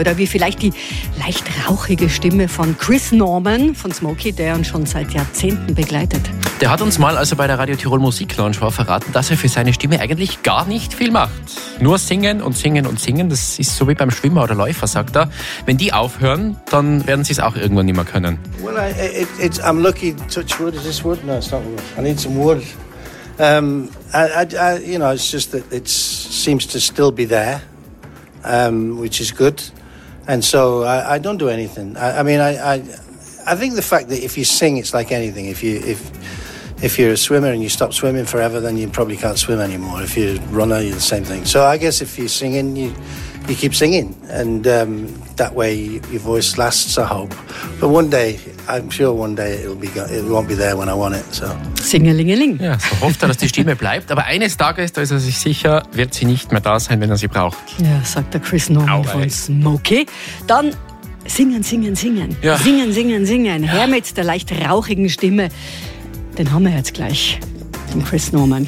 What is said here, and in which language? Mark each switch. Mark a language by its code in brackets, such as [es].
[de] Oder wie vielleicht die leicht rauchige Stimme von Chris Norman von Smokey, der uns schon seit Jahrzehnten begleitet. Der hat uns mal, als er bei der Radio Tirol Musik Lounge war, verraten, dass er für seine Stimme eigentlich gar nicht viel macht. Nur singen und singen und singen, das ist so wie beim Schwimmer oder Läufer, sagt er. Wenn die aufhören, dann werden sie es auch irgendwann nicht mehr können. [en] Well, I'm lucky, touch wood, is this wood? No, it's not wood. I need some wood. It's just that it seems to still be there, which is good. And so I don't do anything. I think the fact that if you sing, it's like anything. If you're a swimmer and you stop swimming forever, then you probably can't swim anymore. If you're a runner, you're the same thing. So I guess if you're singing, you keep singing. And that way your voice lasts, I hope. But one day, I'm sure one day it won't be there when I want it. So. Singelingeling. [de] Ja, so hofft er, dass die Stimme bleibt. Aber eines Tages, da ist er sich sicher, wird sie nicht mehr da sein, wenn er sie braucht. Ja, sagt der Chris Norman von Smokey. Dann singen, singen, singen. Ja. Singen, singen, singen. Ja. Her mit der leicht rauchigen Stimme. Den haben wir jetzt gleich, den Chris Norman.